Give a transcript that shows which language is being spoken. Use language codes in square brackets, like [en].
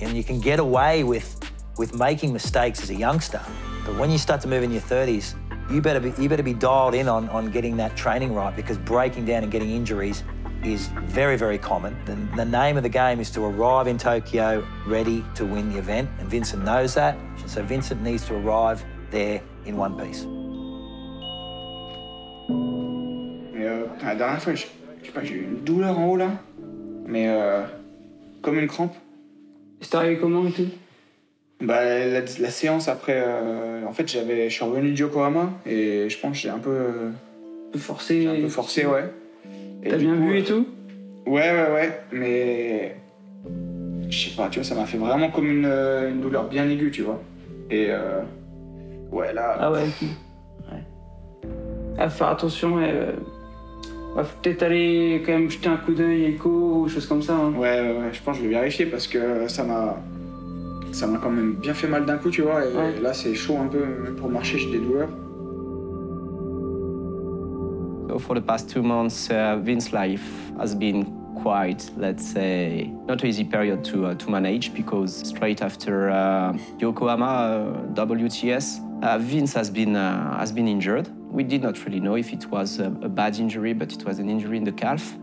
[en] And you can get away with making mistakes as a youngster, but when you start to move in your 30s, You better be dialed in on getting that training right, because breaking down and getting injuries is very, very common. The name of the game is to arrive in Tokyo ready to win the event, and Vincent knows that. So Vincent needs to arrive there in one piece. [fr] Yeah, la dernière fois, je sais pas, j'ai eu une douleur en haut là, mais comme une crampe. C'est arrivé comment et tout? Bah, la séance après, en fait, je suis revenu de Yokohama et je pense que j'ai un peu forcé. J'ai un peu forcé, ouais. T'as bien vu et tout? Ouais, mais. Je sais pas, tu vois, ça m'a fait vraiment comme une douleur bien aiguë, tu vois. Et. Ouais, là. Ah ouais. Ouais. À faire attention et. va peut-être aller quand même jeter un coup d'œil à Echo ou choses comme ça. Hein. Ouais, je pense que je vais vérifier parce que ça m'a quand même bien fait mal d'un coup, tu vois. Et ouais. Là, c'est chaud un peu pour marcher, j'ai des douleurs. [en] For the past 2 months, Vince's life has been quite, let's say, not an easy period to manage because straight after Yokohama WTS, Vince has been injured. We did not really know if it was a bad injury, but it was an injury in the calf.